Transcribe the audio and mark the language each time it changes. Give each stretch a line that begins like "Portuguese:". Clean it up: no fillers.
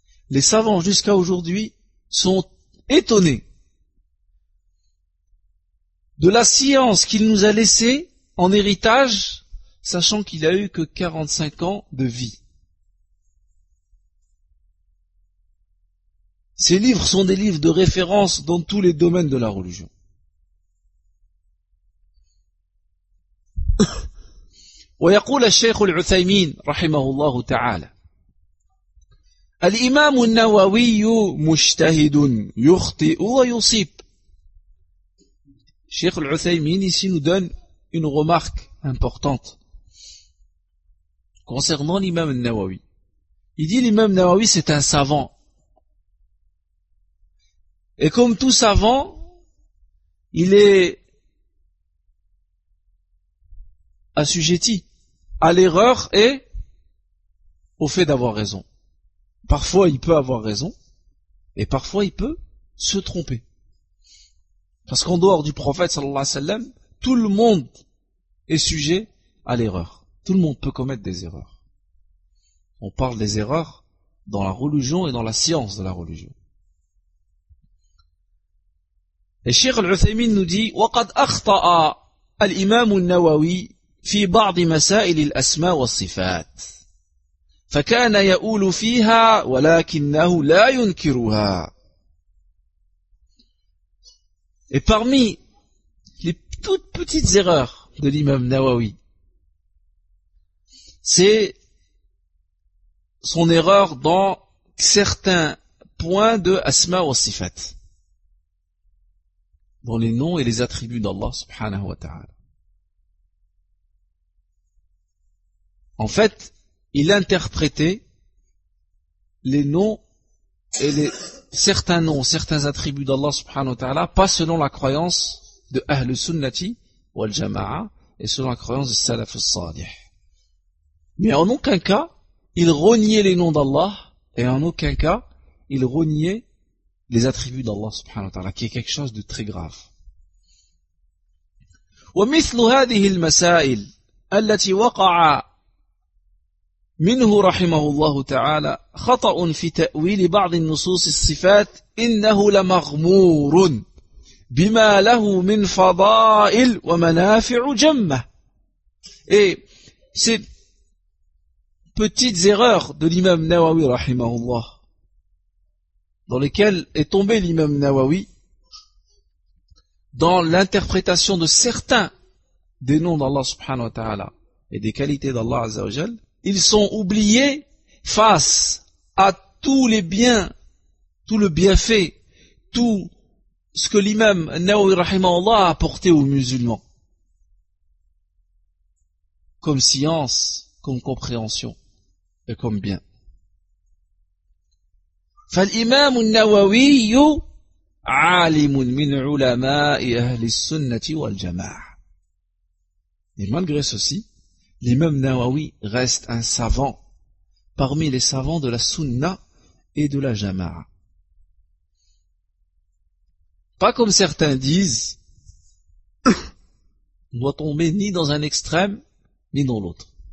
French: Les savants jusqu'à aujourd'hui sont étonnés de la science qu'il nous a laissée en héritage, sachant qu'il a eu que 45 ans de vie. Ces livres sont des livres de référence dans tous les domaines de la religion.
Arabic: ويقول الشيخ العثيمين رحمه الله تعالى الإمام النووي مجتهد يخطئ ويصيب.
French: الشيخ العثيمين ici nous donne une remarque importante concernant l'imam al-Nawawi. Il dit l'imam al-Nawawi c'est un savant, et comme tout savant il est assujetti à l'erreur et au fait d'avoir raison. Parfois, il peut avoir raison et parfois, il peut se tromper. Parce qu'en dehors du prophète, sallallahu alayhi wa sallam, tout le monde est sujet à l'erreur. Tout le monde peut commettre des erreurs. On parle des erreurs dans la religion et dans la science de la religion. Et Cheikh Al-Uthaymin nous dit «
Arabic: وَقَدْ أَخْطَأَ الْإِمَامُ النَّوَوِيِّ في بعض مسائل الأسماء والصفات فكان يؤول فيها ولكنه لا ينكرها.
French: Et parmi les toutes petites erreurs de l'imam Nawawi, c'est son erreur dans certains points de Asma wa Sifat, dans les noms et les attributs d'Allah subhanahu wa ta'ala. En fait, il interprétait les noms et les certains noms, certains attributs d'Allah subhanahu wa ta'ala, pas selon la croyance de Ahlul Sunnati wal Jama'a et selon la croyance de Salaf al-Salih. Mais en aucun cas, il reniait les noms d'Allah et en aucun cas, il reniait les attributs d'Allah subhanahu wa ta'ala, qui est quelque chose de très grave.
Arabic: ومثل هذه المسائل التي وقع منه رحمه الله تعالى خطأ في تأويل بعض النصوص الصفات إنه لمغمور بما له من فضائل ومنافع جمة.
French: C'est petites erreurs de l'imam Nawawi rahimahullah dans lesquelles est tombé l'imam Nawawi dans l'interprétation de certains des noms d'Allah subhanahu wa ta'ala et des qualités d'Allah azza wa jal. Ils sont oubliés face à tous les biens, tout le bienfait, tout ce que l'imam Nawawi rahimahullah a apporté aux musulmans comme science, comme compréhension et comme bien.
Arabic: فالإمام النووي عالم من علماء أهل السنة والجماعة.
French: Et malgré ceci, l'imam Nawawi reste un savant parmi les savants de la sunna et de la jama'a. Pas comme certains disent, on doit tomber ni dans un extrême ni dans l'autre.